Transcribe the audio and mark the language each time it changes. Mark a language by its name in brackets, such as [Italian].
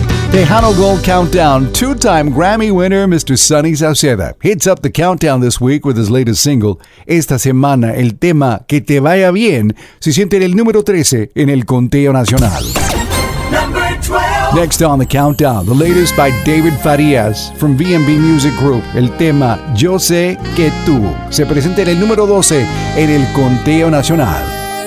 [English] Tejano Gold Countdown, two-time Grammy winner, Mr. Sunny Sauceda, hits up the countdown this week with his latest single. [Spanish] Esta semana, el tema Que Te Vaya Bien se siente en el número 13 en el conteo nacional. [English] Number 12. Next on the countdown, the latest by David Farias from B&B Music Group. [Spanish] El tema Yo Sé Que Tú se presenta en el número 12 en el conteo nacional.